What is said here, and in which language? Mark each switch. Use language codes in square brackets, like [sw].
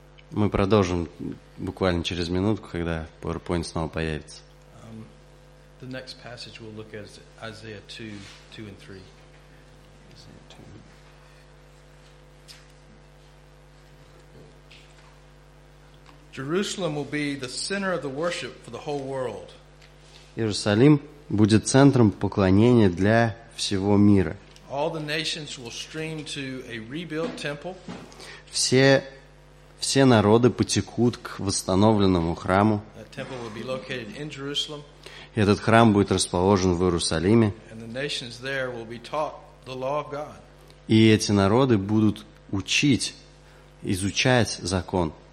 [ru] Мы продолжим буквально через минутку, когда PowerPoint снова появится. [en] The next passage we'll look at is Isaiah 2:2-3. Jerusalem will be the center of the worship for the whole world. [ru] Иерусалим будет центром поклонения для всего мира. [en] All the nations will stream to a rebuilt temple. [ru] Все народы потекут к восстановленному храму. [en] That temple will be located in Jerusalem. [ru] Этот храм будет расположен в Иерусалиме. [en] And the nations there will be taught the law of God. [ru] И эти народы будут учить, изучать закон.